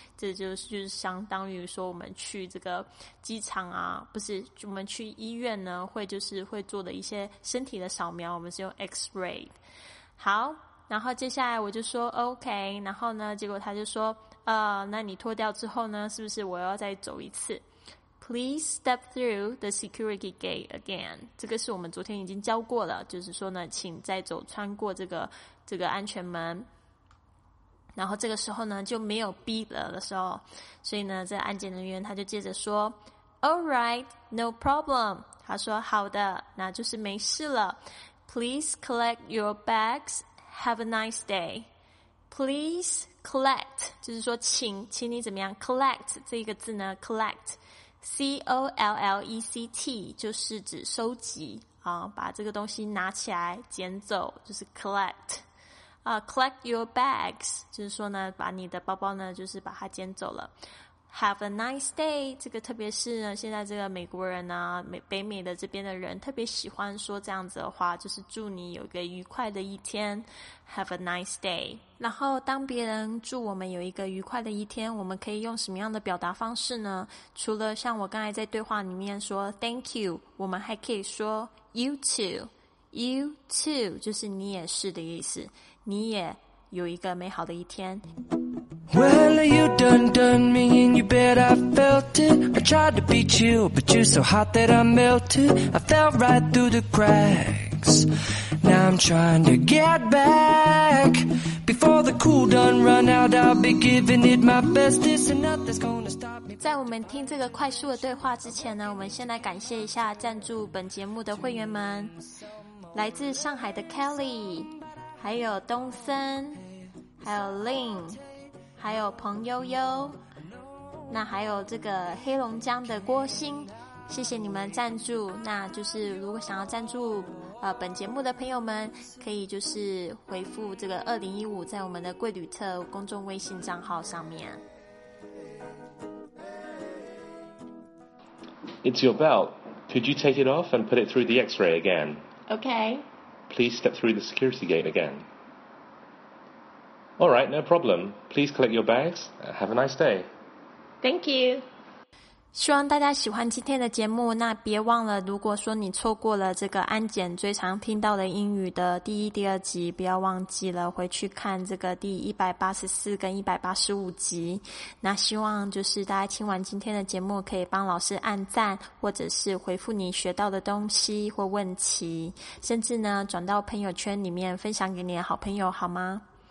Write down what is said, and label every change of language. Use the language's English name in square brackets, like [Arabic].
[Chinese] 这就是相当于说我们去这个机场啊，不是，我们去医院呢会做的一些身体的扫描，我们是用 X-ray。好，然后接下来我就说 OK， 然后呢结果他就说那你脱掉之后呢是不是我要再走一次？ [English] Please step through the security gate again. [Chinese] 这个是我们昨天已经教过了，就是说呢请再走穿过这个安全门。然后这个时候呢就没有 beep 了的时候，所以呢这个安检人员他就接着说 [English] Alright, no problem. [Chinese] 他说好的，那就是没事了。 [English] Please collect your bags. Have a nice day. Please collect, [Chinese] 就是说请你怎么样 collect 这个字呢 collectCollect 就是指收集啊，把这个东西拿起来捡走，就是 collect。 [English] Collect your bags [Chinese] 就是说呢，把你的包包呢，就是把它捡走了。 [English] Have a nice day， [Chinese] 这个特别是呢，现在这个美国人啊，北美的这边的人特别喜欢说这样子的话，就是祝你有一个愉快的一天。 [English] Have a nice day。 [Chinese] 然后当别人祝我们有一个愉快的一天，我们可以用什么样的表达方式呢？除了像我刚才在对话里面说 [English] thank you， [Chinese] 我们还可以说 [English] you too。 you too [Chinese] 就是你也是的意思，你也有一个美好的一天。 [English] Well, you done me and you bet I felt it. I tried to beat you, but you're so hot that I melted. I fell right through the cracks. Now I'm trying to get back. Before the cool done run out, I'll be giving it my best. This and nothing's gonna stop me. [Chinese] 在我们听这个快速的对话之前呢，我们先来感谢一下赞助本节目的会员们，来自上海的 Kelly， 还有东森，还有 Lin。还有彭悠悠，那还有这个黑龙江的郭兴，谢谢你们赞助。那就是如果想要赞助本节目的朋友们，可以就是回复这个2015在我们的贵旅特公众微信账号上面。 [English] It's your belt. Could you take it off and put it through the X-ray again? Okay. Please step through the security gate again. All right, no problem. Please collect your bags. Have a nice day. Thank you. [Chinese] 希望大家喜欢今天的节目。那别忘了，如果说你错过了这个安检最常听到的英语的第一、第二集，不要忘记了回去看这个第184跟185集。那希望就是大家听完今天的节目，可以帮老师按赞，或者是回复你学到的东西或问题，甚至呢转到朋友圈里面分享给你的好朋友，好吗？